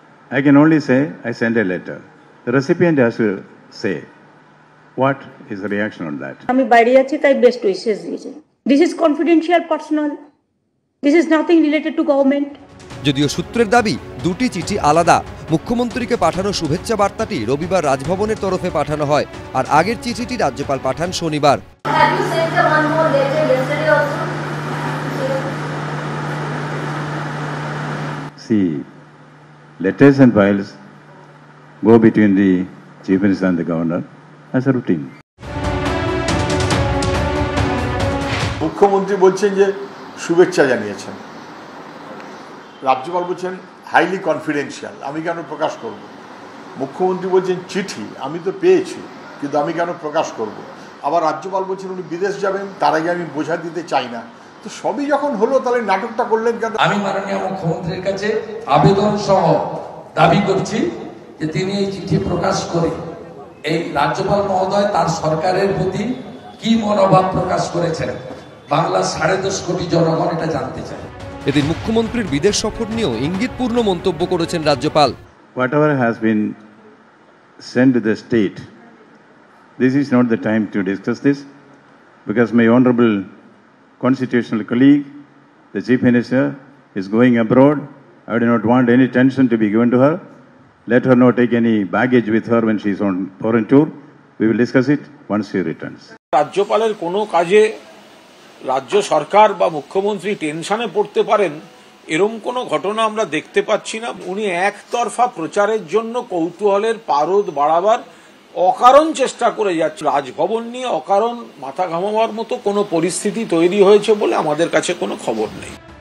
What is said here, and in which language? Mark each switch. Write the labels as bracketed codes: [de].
[en] I can only say I send a letter. The recipient has to say what is the reaction on that. [bn] আমি বাইরে আছি তাই [en] best wishes [bn] দিয়েছি. [en] This is confidential personal. This is nothing related to government. [bn] যদিও সূত্রের দাবি দুটি চিঠি আলাদা মুখ্যমন্ত্রীকে পাঠানো শুভেচ্ছা বার্তাটি রবিবার রাজভবনের তরফে পাঠানো হয় আর আগের চিঠিটি রাজ্যপাল পাঠান শনিবার [en] See, letters and files go between the Chief Minister and the Governor as a routine. [bn] মুখ্যমন্ত্রী বলছেন যে শুভেচ্ছা জানিয়েছেন রাজ্যপাল বলছেন [en] highly confidential [bn] আমি কেন প্রকাশ করব মুখ্যমন্ত্রী বলছেন চিঠি আমি তো পেয়েছি কিন্তু আমি কেন প্রকাশ করব আবার রাজ্যপাল বলছেন উনি বিদেশ যাবেন তার আগে আমি বোঝা দিতে চাই না সবই যখন হলো তাহলে নাটকটা করলেন কেন আমি মাননীয় মুখ্যমন্ত্রীর কাছে আবেদন সহ দাবি করছি যে তিনি এই চিঠি প্রকাশ করে এই রাজ্যপাল মহোদয় তার সরকারের প্রতি কি মনোভাব প্রকাশ করেছেন বাংলা 10.5 কোটি জনগণ এটা জানতে চায় এদিন মুখ্যমন্ত্রীর বিদেশ সফর নিয়েও ইঙ্গিতপূর্ণ মন্তব্য করেছেন রাজ্যপাল [en] Whatever has been sent to the state this is not the time to discuss this because my honourable constitutional colleague, the Chief Minister, is going abroad. I do not want any tension to be given to her. Let her not take any baggage with her when she is on foreign tour. We will discuss it once she returns. [bn] রাজ্যপালের কোনো কাজে রাজ্য সরকার বা মুখ্যমন্ত্রী টেনশনে পড়তে পারেন এরম কোনো ঘটনা আমরা দেখতে পাচ্ছি না উনি একতরফা প্রচারের জন্য কৌতূহলের পারদ বাড়াবার অকারণ চেষ্টা করে যাচ্ছে রাজভবন নিয়ে অকারণ মাথা ঘামাবার মতো কোনো পরিস্থিতি তৈরি হয়েছে বলে আমাদের কাছে কোনো খবর নেই